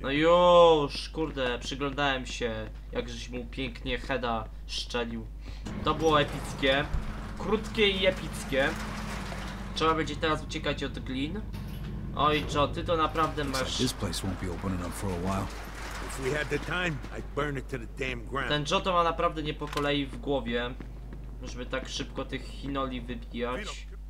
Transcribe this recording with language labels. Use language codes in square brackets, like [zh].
[pl] No już, kurde, przyglądałem się, jak żeś mu pięknie heada szczelił. To było epickie. Krótkie i epickie. Trzeba będzie teraz uciekać od Glin. Oj, Joe, ty to naprawdę masz. [en] This place won't be opening up for a while. If we had the time, I'd burn it to the damn ground. [pl] Ten Joe to ma naprawdę nie po kolei w głowie, żeby tak szybko tych Hinoli wybijać.